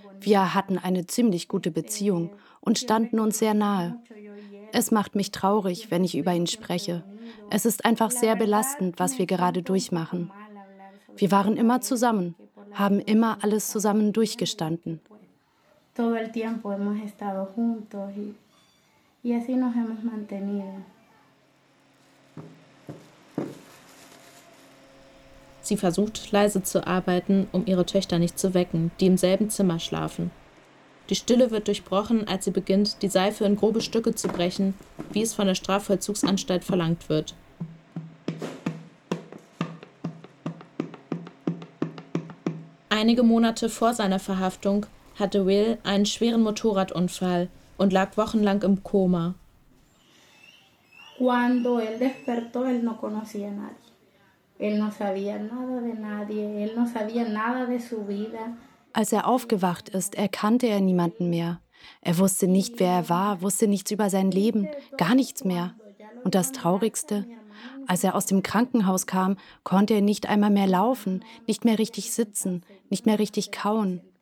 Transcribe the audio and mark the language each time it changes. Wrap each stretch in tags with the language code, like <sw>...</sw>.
<de>Wir hatten eine ziemlich gute Beziehung und standen uns sehr nahe. Es macht mich traurig, wenn ich über ihn spreche. Es ist einfach sehr belastend, was wir gerade durchmachen. Wir waren immer zusammen, haben immer alles zusammen durchgestanden.</de> <es>Todo el tiempo hemos estado juntos y así nos hemos mantenido.</es> <de>Sie versucht, leise zu arbeiten, um ihre Töchter nicht zu wecken, die im selben Zimmer schlafen. Die Stille wird durchbrochen, als sie beginnt, die Seife in grobe Stücke zu brechen, wie es von der Strafvollzugsanstalt verlangt wird. Einige Monate vor seiner Verhaftung hatte Will einen schweren Motorradunfall und lag wochenlang im Koma.</de> <es>Cuando él despertó, él no conocía a nadie. Él no sabía nada de nadie, él no sabía nada de su vida.</es> <de>Als er aufgewacht ist, erkannte er niemanden mehr. Er wusste nicht, wer er war, wusste nichts über sein Leben, gar nichts mehr. Und das Traurigste, als er aus dem Krankenhaus kam, konnte er nicht einmal mehr laufen, nicht mehr richtig sitzen, nicht mehr richtig kauen.</de>